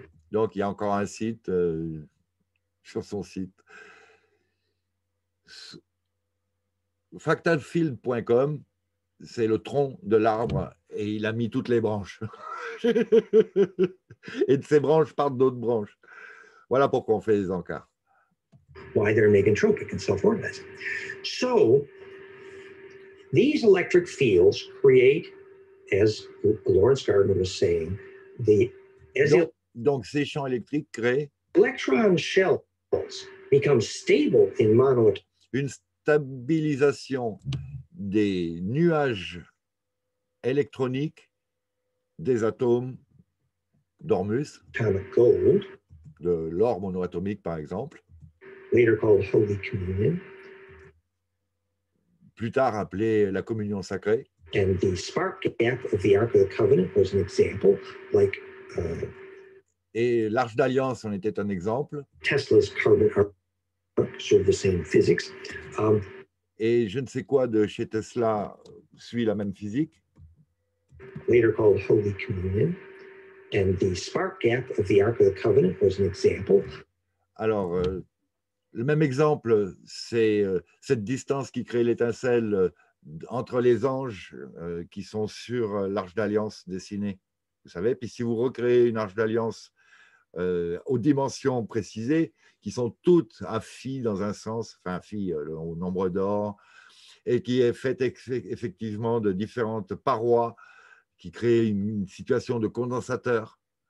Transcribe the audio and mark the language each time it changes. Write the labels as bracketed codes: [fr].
[fr] Donc, il y a encore un site sur son site. Fractalfield.com, c'est le tronc de l'arbre et il a mis toutes les branches. Et de ces branches partent d'autres branches. Voilà pourquoi on fait les encarts. [en] Why they're negentropic and self-organized. So, these electric fields create, as Lawrence Gardner was saying, [fr] donc ces champs électriques créent. [en] Electron shells become stable in monoatomic. [fr] Une stabilisation des nuages électroniques des atomes d'Ormus. [en] Kind of gold. [fr] De l'or monoatomique, par exemple, [en] later called Holy Communion, [fr] plus tard appelé la communion sacrée, [en] and the spark gap of the Ark of the Covenant was an example, like, [fr] et l'Arche d'Alliance en était un exemple, [en] Tesla's carbon arc, sort of the same physics, [fr] et je ne sais quoi de chez Tesla suit la même physique, [en] later called Holy Communion. And the spark gap of the Ark of the Covenant was an example. [fr] Alors, le même exemple, c'est cette distance qui crée l'étincelle entre les anges qui sont sur l'Arche d'Alliance dessinée. Vous savez, puis si vous recréez une Arche d'Alliance aux dimensions précisées, qui sont toutes à phi dans un sens, enfin phi au nombre d'or, et qui est faite effectivement de différentes parois, qui crée une situation de condensateur.